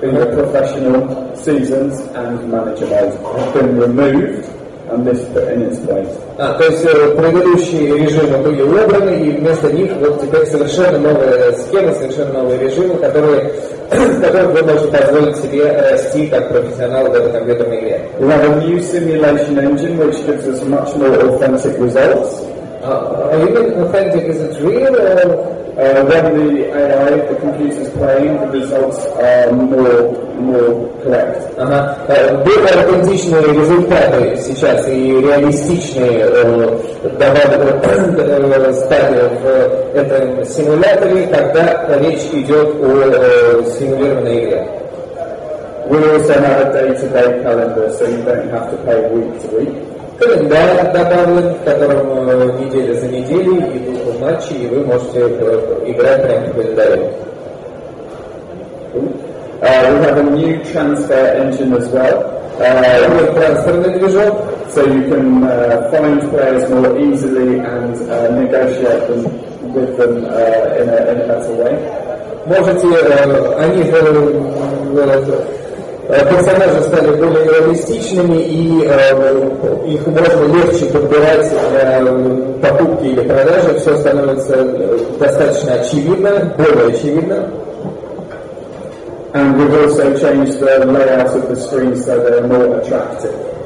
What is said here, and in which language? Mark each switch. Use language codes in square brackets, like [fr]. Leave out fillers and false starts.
[en] in the professional seasons and manager mode has been removed and this put in its place. [ru] То есть предыдущие режимы были убраны, и вместо них вот теперь совершенно новая схема, совершенно новые режимы, которые вы можете позволить себе расти как профессионал в этой компьютерной игре. [en] We have a new simulation engine which gives us much more authentic results. Are you being authentic? Is it real or When the AI, the computer's playing, the results are more correct. [ru] Более аутентичные результаты сейчас и реалистичные стадии в этом симуляторе, когда речь идет о симулированной игре. [en] We also have a day-to-day calendar, so you don't have to pay week to week. [ru] Календарь добавлен, в котором неделя за неделей идут матчи, и вы можете играть прямо в календаре. [en] We have a new transfer engine as well. [ru] У нас трансферный движок. [en] So you can find players more easily and negotiate them with them in a better way. [ru] Можете, они же персонажи стали более реалистичными, и их можно легче подбирать покупки или продажи, все становится достаточно очевидно, более очевидно. [en] And we've also changed the layout of the screen so they're more attractive.